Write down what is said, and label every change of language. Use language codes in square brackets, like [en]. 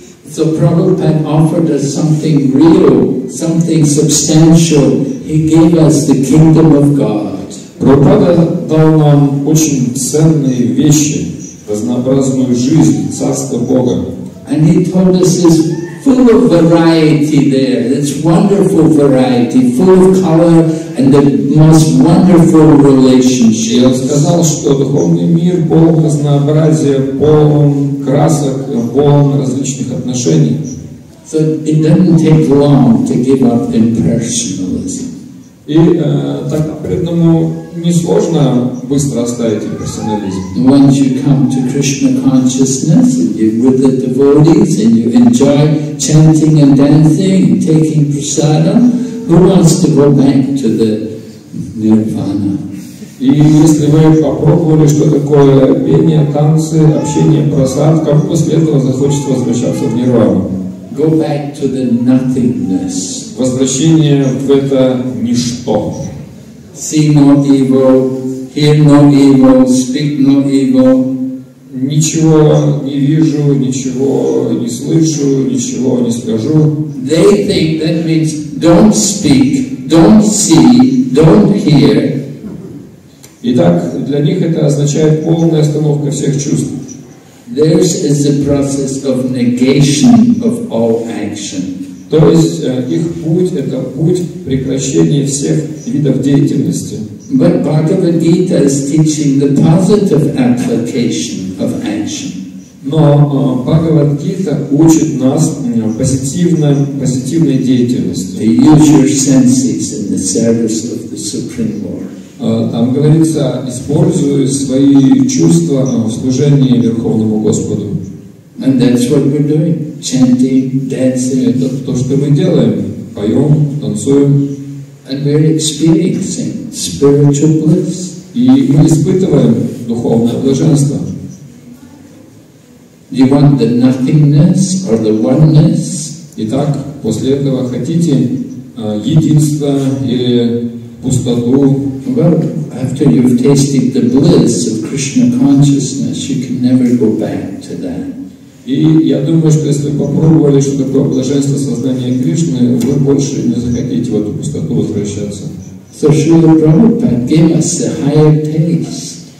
[en] So Prabhupada offered us something real, something substantial. He gave us the kingdom of God. [ru] Прабхупада дал нам очень ценные вещи, разнообразную жизнь, царство Бога. [en] And he told us his full of variety there. It's wonderful variety, full of color and the most wonderful relationship. [ru] Я сказал, что духовный мир полон разнообразия, полон красок, полон различных отношений. [en] So it doesn't take long to give up impersonalism. [ru] И так преданному несложно быстро оставить имперсонализм. [en] Once you come to Krishna consciousness and you're with the devotees and you enjoy chanting and dancing, taking prasadam, who wants to go back to the nirvana? [ru] И если вы попробовали, что такое пение, танцы, общение, прасад, как после этого захочется возвращаться в нирвану? [en] Go back to the nothingness. [ru] Возвращение в это ничто. [en] See no evil, hear no evil, speak no evil. [ru] Ничего не вижу, ничего не слышу, ничего не скажу. [en] They think that means don't speak, don't see, don't hear. [ru] Итак, для них это означает полная остановка всех чувств. [en] Theirs is the process of negation of all action. [ru] То есть их путь — это путь прекращения всех видов деятельности. [en] But Bhagavad Gita is teaching the positive application of action. [ru] Но Bhagavad Gita учит нас позитивной деятельности. [en] To use your senses in the service of the Supreme Lord. [ru] Там говорится, используя свои чувства в служении Верховному Господу. [en] And that's what we're doing. Chanting, dancing. [ru] Это то, что мы делаем. Поем, танцуем. [en] And we're experiencing spiritual bliss. [ru] И мы испытываем духовное блаженство. [en] You want the nothingness or the oneness? [ru] Итак, после этого хотите единство или пустоту? [en] Well, after you've tasted the bliss of Krishna consciousness, you can never go back to that. [ru] И я думаю, что если вы попробовали, что такое блаженство сознания Кришны, вы больше не захотите в эту пустоту возвращаться. [en] So Srila Prabhupada gave us the higher taste.